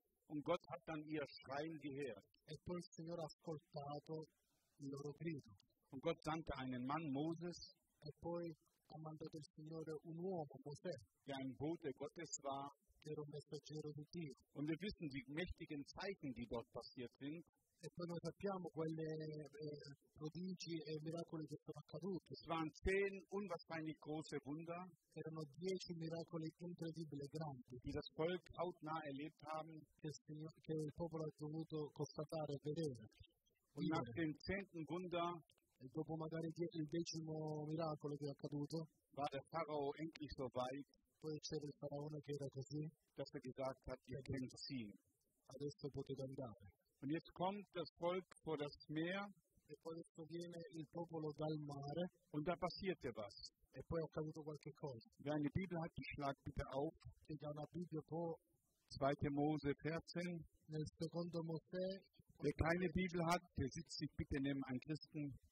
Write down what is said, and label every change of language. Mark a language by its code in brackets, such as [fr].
[de] Und Gott hat dann ihr Schreien gehört. [it] E poi il Signore ha ascoltato il loro grido. [de] Und Gott sandte einen Mann, Moses. [it] E poi ha mandato il Signore un uomo, Mosè. [de] Der ein Bote Gottes war. [it] Der un messaggero di Dio. [de] Und wir wissen die mächtigen Zeichen, die dort passiert sind. [it] E poi noi sappiamo quelle prodigi e miracoli che sono accaduti. [de] Es waren 10 unwahrscheinlich große Wunder. [it] Erano 10 miracoli incredibili, grandi. [de] Die das Volk hautnah erlebt haben. [it] Che il popolo ha dovuto constatare e vedere. [de] Und nach dem 10. Wunder. [it] E dopo magari il 10° miracolo che è accaduto. [de] War der Pharao endlich so weit. [it] Poi c'era il faraone che era così. [de] Dass er gesagt hat, ihr könnt ziehen. [it] Adesso potete andare. [de] Und jetzt kommt das Volk vor das Meer. [it] E poi adesso viene il popolo dal mare. [de] Und da passierte was. [it] E poi è accaduto qualche cosa. [de] Wer eine Bibel hat, die schlag bitte auf. [it] Chi ha una Bibbia può. [de] 2. Mose 14. [it] Nel secondo Mosè. [de] Wer keine Bibel hat, der sitzt sich bitte neben einen Christen.